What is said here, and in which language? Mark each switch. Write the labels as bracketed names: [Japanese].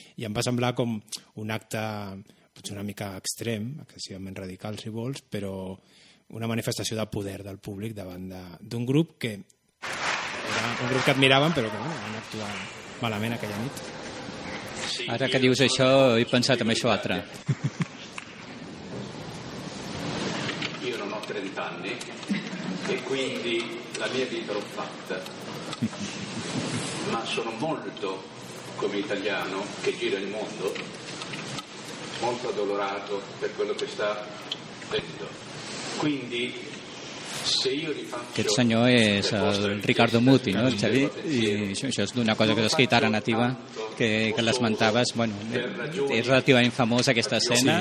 [Catalan] I em va semblar com un acte potser una mica extrem, excessivament radical, si vols, però una manifestació de poder del públic davant d'un grup que era un grup que admiraven, però que van actuar malament aquella nit. Ara que dius això, he pensat en això altre. [Italian] Io non ho 30 anni e quindi la mia vita l'ho fatta. Ma sono molto, come italiano, che gira il mondo, molto addolorato per quello che sta detto. Quindi se io rifaccio [Catalan] aquest senyor és el Ricardo Muti, no? Xavi? I això és una cosa que has escrit ara Nativa que l'esmentaves, bueno, és relativament famosa aquesta escena,